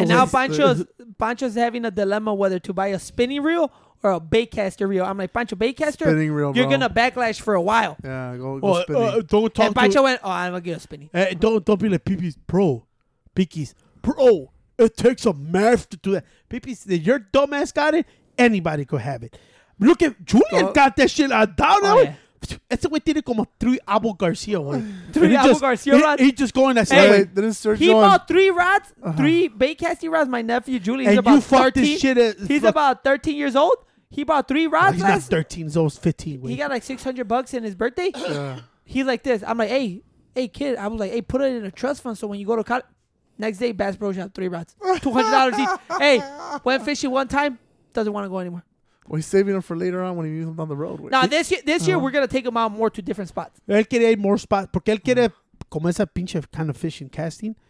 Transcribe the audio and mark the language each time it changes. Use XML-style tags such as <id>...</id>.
<en>And now Pancho's having a dilemma whether to buy a spinning reel or a baitcaster reel. I'm like, Pancho, baitcaster? Spinning reel, you're going to backlash for a while. Yeah, go spinning. Don't talk and Pancho went, oh, I'm going to get a spinning. Hey, don't be like, Peepees, bro. Peepees, bro. It takes a math to do that. Peepees, if your dumbass got it, anybody could have it. Look at Julian got that shit. I don't know.</en> <es>Ese güey tiene como three Abel Garcia, güey.</es> <en>Three Abel Garcia rods? He just going that hey, shit. He bought three rods, three baitcasting rods. My nephew, Julian, and he's about 13. This shit he's fuck. About 13 years old. He bought three rods. He's not 13, he's almost 15. Wait. He got like $600 in his birthday. Yeah. He's like this. I'm like, hey, kid. I was like, hey, put it in a trust fund so when you go to college. Next day, Bass Bros have three rods. $200 each. Hey, went fishing one time. Doesn't want to go anymore. Well, he's saving them for later on when he needs them down the road. No, this year we're going to take them out more to different spots.</en> <es>Él quería ir</es> <en>more spots</en> <es>porque él quiere como esa pinche</es> <en>kind of fishing casting.</en>